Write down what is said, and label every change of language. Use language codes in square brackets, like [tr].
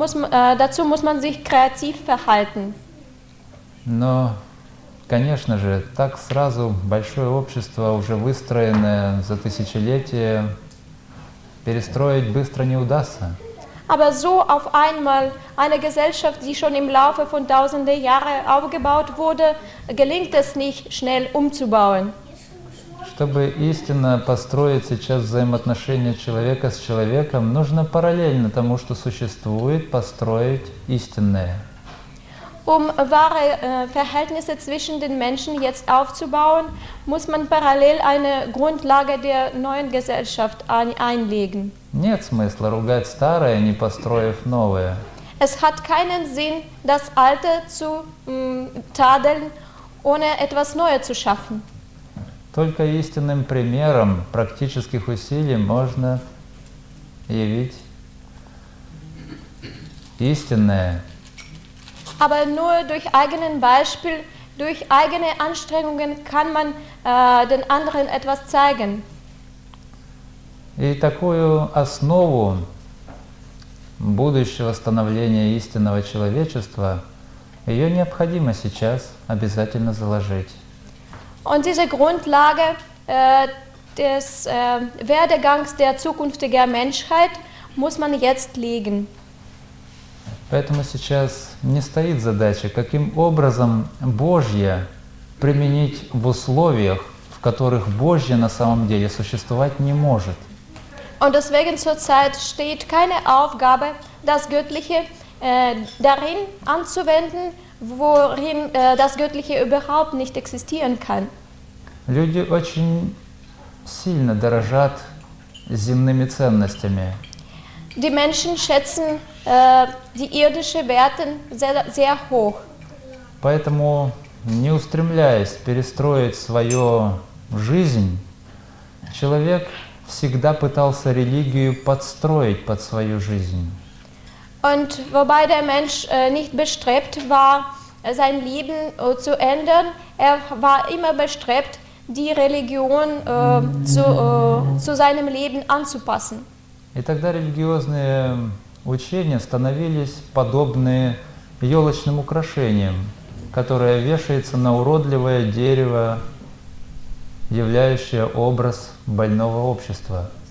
[de] Dazu muss man sich kreativ verhalten. [ru] Но, конечно же, так сразу большое общество, уже выстроенное за тысячелетия, перестроить быстро не удастся. [de] Aber so auf einmal eine Gesellschaft, die schon im Laufe von tausenden Jahren aufgebaut wurde, gelingt es nicht, schnell umzubauen. [ru] Чтобы истинно построить сейчас взаимоотношения человека с человеком, нужно параллельно тому, что существует, построить истинное. [de] Wahre Verhältnisse zwischen den Menschen jetzt aufzubauen, muss man parallel eine Grundlage der neuen Gesellschaft einlegen. [ru] Нет смысла ругать старое, не построив новое. [de] Es hat keinen Sinn, das Alte zu tadeln, ohne etwas Neues zu schaffen. [ru] Только истинным примером практических усилий можно явить истинное. [de] Aber nur durch eigenen Beispiel, durch eigene Anstrengungen kann man den anderen etwas zeigen. [ru] И такую основу будущего становления истинного человечества ее необходимо сейчас обязательно заложить. [de] Und diese Grundlage des Werdegangs der zukünftigen Menschheit muss man jetzt legen. [ru] Поэтому сейчас не стоит задача, каким образом Божье применить в условиях, в которых Божье на самом деле существовать не может. [de] Und deswegen zurzeit steht keine Aufgabe, das Göttliche darin anzuwenden, worin das Göttliche überhaupt nicht existieren kann. [ru] Люди очень сильно дорожат земными ценностями. [de] Die Menschen schätzen die irdischen Werte sehr, sehr hoch. [ru] Поэтому, не устремляясь перестроить свою жизнь, человек всегда пытался религию подстроить под свою жизнь. [de] Und wobei der Mensch nicht bestrebt war, sein Leben zu ändern, war immer bestrebt, die Religion zu seinem Leben anzupassen. [ru] И тогда религиозные учения становились подобны елочным украшениям, которое вешается на уродливое дерево, являющее образ больного общества.